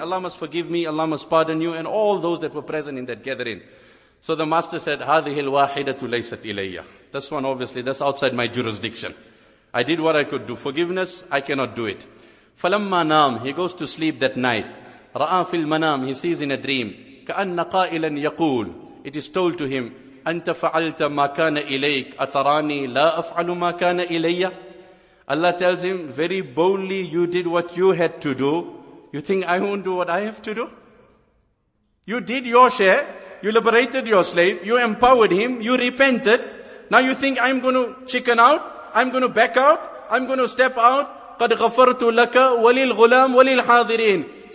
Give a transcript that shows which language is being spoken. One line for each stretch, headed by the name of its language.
English: Allah must forgive me, Allah must pardon you, and all those that were present in that gathering. So the master said,
Arabic: هَذِهِ الْوَاحِدَةُ لَيْسَتْ إِلَيَّ.
English: This one, obviously, that's outside my jurisdiction. I did what I could do. Forgiveness, I cannot do it.
Arabic: فَلَمَّا نَام,
English: he goes to sleep that night.
Arabic: رَآ فِي الْمَنَام,
English: he sees in a dream.
Arabic: كَأَنَّ قَائِلًا يَقُولُ,
English: it is told to him,
Arabic: أَنْتَ فَعَلْتَ مَا كَانَ إِلَيْكَ أَتَرَانِي لَا أَفْعَلُ مَا كَانَ إِلَيَّ.
English: Allah tells him, very boldly you did what you had to do. You think I won't do what I have to do? You did your share. You liberated your slave. You empowered him. You repented. Now you think I'm going to chicken out? I'm going to back out? I'm going to step out?
Arabic: قَدْ غَفَرْتُ لَكَ وَلِلْغُلَامِ وَلِلْحَاضِرِينَ.